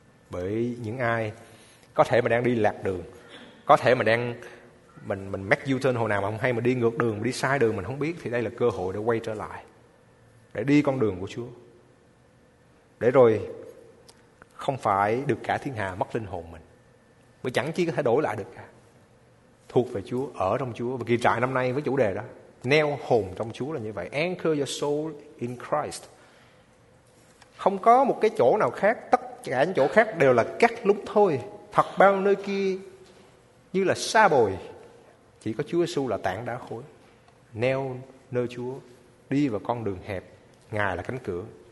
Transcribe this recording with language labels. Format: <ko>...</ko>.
<vi>Bởi những ai có thể mà đang đi lạc đường, có thể mà đang mình</vi> <en>make U-turn</en> <vi>hồi nào mà không hay, mà đi ngược đường, mà đi sai đường mình không biết, thì đây là cơ hội để quay trở lại, để đi con đường của Chúa, để rồi không phải được cả thiên hà mất linh hồn mình, mà chẳng chi có thể đổi lại được cả. Thuộc về Chúa, ở trong Chúa. Và kỳ trại năm nay với chủ đề đó, neo hồn trong Chúa là như vậy.</vi> <en>Anchor your soul in Christ.</en> <vi>Không có một cái chỗ nào khác, tất cả những chỗ khác đều là cát lúc thôi. Thật bao nơi kia như là sa bồi. Chỉ có Chúa Giê-xu là tảng đá khối. Neo nơi Chúa, đi vào con đường hẹp, Ngài là cánh cửa.</vi>